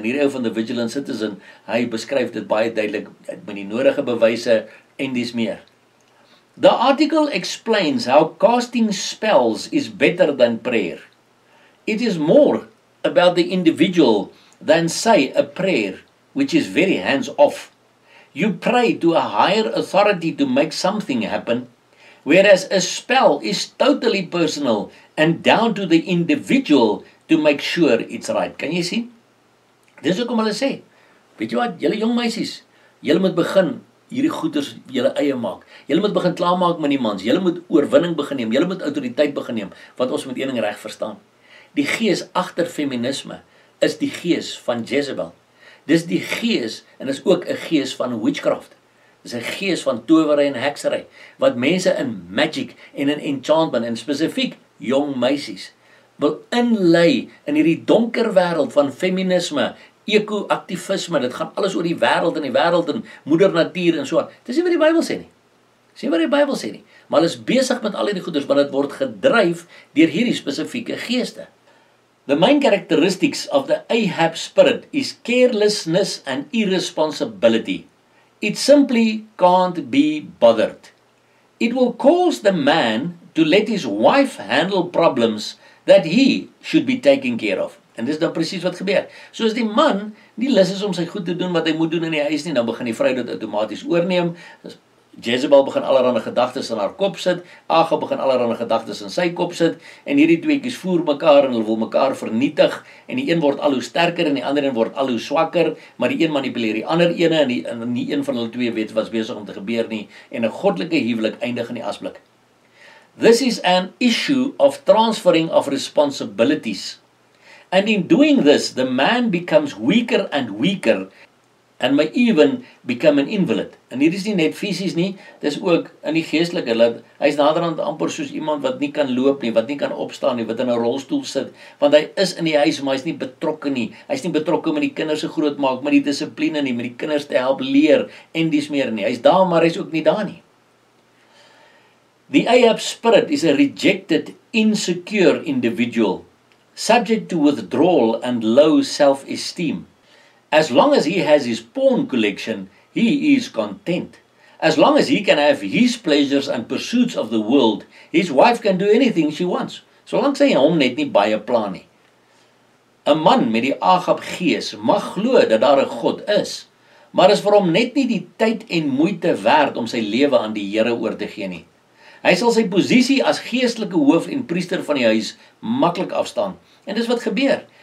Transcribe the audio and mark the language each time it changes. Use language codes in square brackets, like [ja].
[af] En hier ou van The Vigilant Citizen, hy beskryf dit baie duidelik met die nodige bewyse en dies meer. [en] The article explains how casting spells is better than prayer. It is more about the individual than, say, a prayer, which is very hands-off. You pray to a higher authority to make something happen, whereas a spell is totally personal and down to the individual to make sure it's right. Can you see? [af] Dis hoekom hulle sê, weet jy wat, julle jong meisies, julle moet begin hierdie goeders julle eie maak. Julle moet begin klaarmaak met die mans. Julle moet oorwinning begin neem. Julle moet autoriteit begin neem, want ons moet een ding reg verstaan. Die gees agter feminisme is die gees van Jezebel. Dis die gees en is ook 'n gees van witchcraft. Dis 'n gees van towery en heksery wat mense in magic en in enchantment en spesifiek jong meisies wil inlei in hierdie donker wêreld van feminisme. Eco-activisme, dit gaan alles oor die wêreld en moeder natuur en so. Dis nie wat die Bybel sê nie. Maar hulle is besig met al die goeders, maar dit word gedryf deur hierdie spesifieke geeste. [en] The main characteristics of the Ahab spirit is carelessness and irresponsibility. It simply can't be bothered. It will cause the man to let his wife handle problems that he should be taking care of. [af] En dis dan presies wat gebeur. So as die man nie lus is om sy goed te doen wat hy moet doen in die huis nie, dan begin die vrou dit outomaties oorneem. Jezebel begin allerlei gedagtes in haar kop sit, Ahab begin allerlei gedagtes in sy kop sit, en hierdie tweetjies voer mekaar en hulle wil mekaar vernietig, en die een word al hoe sterker en die ander een word al hoe swakker, maar die een manipuleer die ander ene en nie een van hulle twee weet wat besig om te gebeur nie, en 'n goddelike huwelik eindig in die asblik. [en] This is an issue of transferring of responsibilities. And in doing this, the man becomes weaker and weaker and may even become an invalid. [af] En hier is nie net fisies nie, dis ook in die geestelike. Hy is naderhand amper soos iemand wat nie kan loop nie, wat nie kan opstaan nie, wat in 'n rolstoel sit. Want hy is in die huis, maar hy is nie betrokke nie. Hy is nie betrokke met die kinders se grootmaak, met die dissipline nie, met die kinders te help leer en dies meer nie. Hy is daar, maar hy is ook nie daar nie. [en] The Ahab spirit is a rejected, insecure individual, subject to withdrawal and low self-esteem. As long as he has his porn collection, he is content. As long as he can have his pleasures and pursuits of the world, his wife can do anything she wants. [af] Solank sy hom net nie baie pla nie. 'N man met die Ahab gees mag glo dat daar 'n God is, maar is vir hom net nie die tyd en moeite werd om sy lewe aan die Here oor te gee nie. Hy sal sy posisie as geestelike hoof en priester van die huis maklik afstaan. En dis wat gebeur.